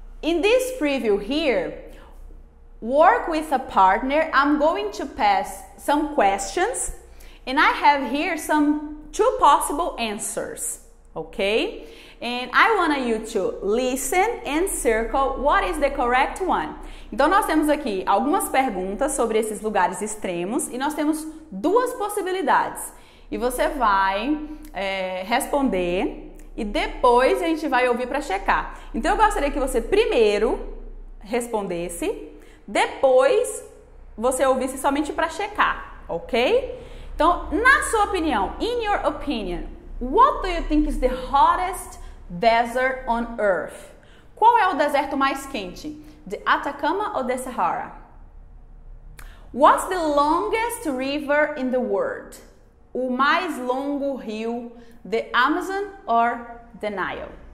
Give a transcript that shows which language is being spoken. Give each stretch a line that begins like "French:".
English: In this preview here, work with a partner. I'm going to pass some questions, and I have here some two possible answers, ok? And I want you to listen and circle what is the correct one.
Portuguese: Então, nós temos aqui algumas perguntas sobre esses lugares extremos e nós temos duas possibilidades. E você vai responder e depois a gente vai ouvir para checar. Então, eu gostaria que você primeiro respondesse, depois você ouvisse somente para checar, ok? Então, na sua opinião,
English: in your opinion, what do you think is the hottest desert on earth?
Portuguese: Qual é o deserto mais quente?
English: The Atacama or the Sahara? What's the longest river in the world?
Portuguese: O mais longo rio,
English: the Amazon or the Nile?